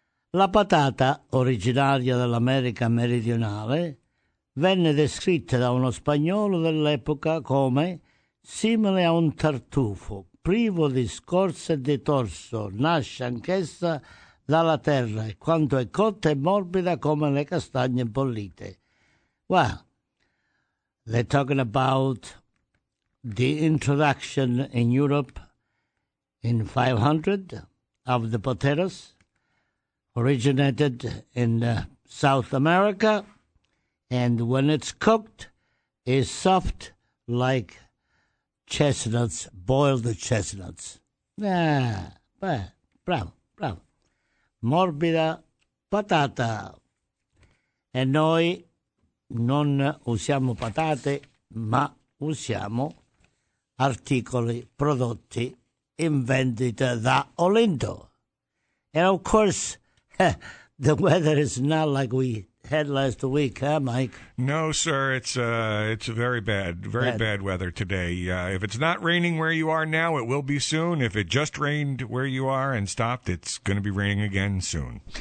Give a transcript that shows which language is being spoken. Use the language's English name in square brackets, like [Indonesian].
[Italian] la patata, originaria dell'America meridionale, venne descritta da uno spagnolo dell'epoca come simile a un tartufo, privo di scorza e di torso, nasce anch'essa dalla terra e quanto è cotta e morbida come le castagne bollite. [English] Well, they're talking about the introduction in Europe in 500 of the potatoes, originated in South America, and when it's cooked, it's soft like chestnuts, boiled chestnuts. [Italian] Bravo. Morbida patata. E noi non usiamo patate, ma usiamo articoli prodotti in vendita da Olinto. [English] And of course, the weather is not like we had last week, huh, Mike? No, sir. It's very bad. Very bad weather today. If it's not raining where you are now, it will be soon. If it just rained where you are and stopped, it's going to be raining again soon.